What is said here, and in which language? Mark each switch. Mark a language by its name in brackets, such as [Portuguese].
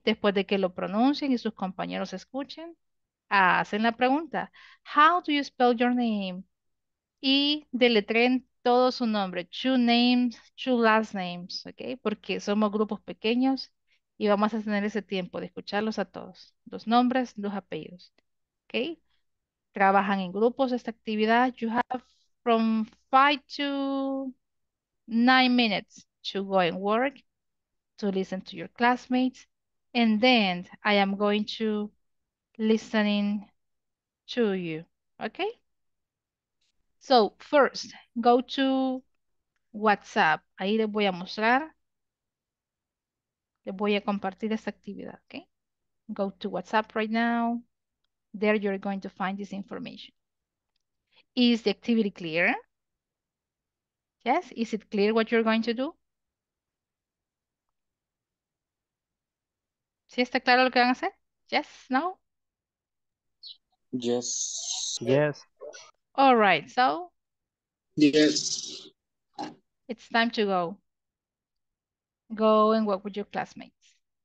[Spanish] Después de que lo pronuncien y sus compañeros escuchen, hacen la pregunta. [English] How do you spell your name? [Spanish] Y deletreen todo su nombre, [English] two names, two last names, ¿ok? [Spanish] Porque somos grupos pequeños y vamos a tener ese tiempo de escucharlos a todos. Dos nombres, dos apellidos, ¿ok? Trabajan en grupos esta actividad. [English] You have from 5 to 9 minutes to go and work, to listen to your classmates. And then I am going to listening to you, ¿ok? So, first, go to WhatsApp. [Spanish] Ahí les voy a mostrar. Les voy a compartir esta actividad, ¿ok? [English] Go to WhatsApp right now. There you're going to find this information. Is the activity clear? Yes? Is it clear what you're going to do? [Spanish] ¿Sí está claro lo que van a hacer? [English] Yes? No? Yes. Yes. All right, so yes, it's time to go. Go and work with your classmates.